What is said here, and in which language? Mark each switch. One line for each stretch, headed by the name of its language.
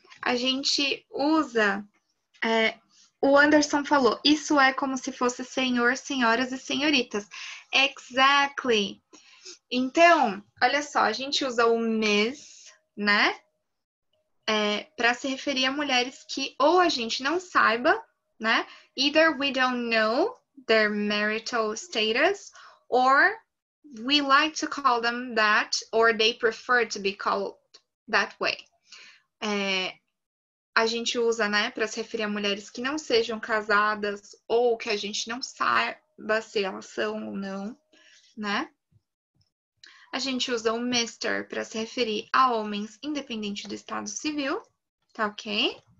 Portuguese: A gente usa, o Anderson falou, isso é como se fosse senhor, senhoras e senhoritas.
English: Exactly.
Portuguese: Então, olha só, a gente usa o miss, né? Para se referir a mulheres que ou a gente não saiba, né?
English: Either we don't know their marital status, or we like to call them that, or they prefer to be called that way.
Portuguese: A gente usa, né, para se referir a mulheres que não sejam casadas ou que a gente não saiba se elas são ou não, né? A gente usa o Mr. para se referir a homens, independente do estado civil, tá ok?